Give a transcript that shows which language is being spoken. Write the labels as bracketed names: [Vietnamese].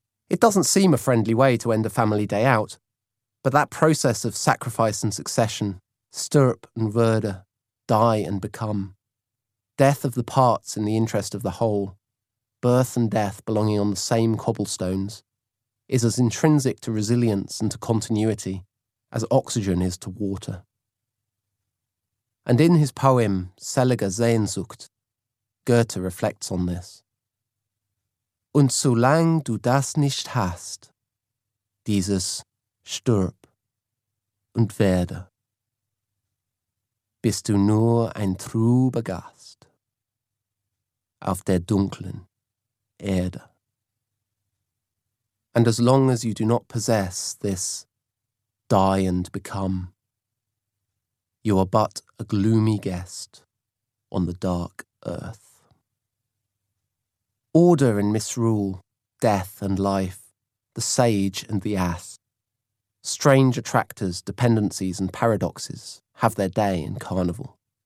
[English] It doesn't seem a friendly way to end a family day out, But that process of sacrifice and succession, [German] stirrup and werde, [English] die and become, death of the parts in the interest of the whole, birth and death belonging on the same cobblestones, is as intrinsic to resilience and to continuity as oxygen is to water. And in his poem, Selige Sehnsucht, Goethe reflects on this. [German] Und solang du das nicht hast, dieses Stirb und Werde, bist du nur ein trüber Gast auf der dunklen Erde. [English] And as long as you do not possess this die and become, you are but a gloomy guest on the dark earth. Order and misrule, death and life, the sage and the ass, strange attractors, dependencies and paradoxes have their day in carnival.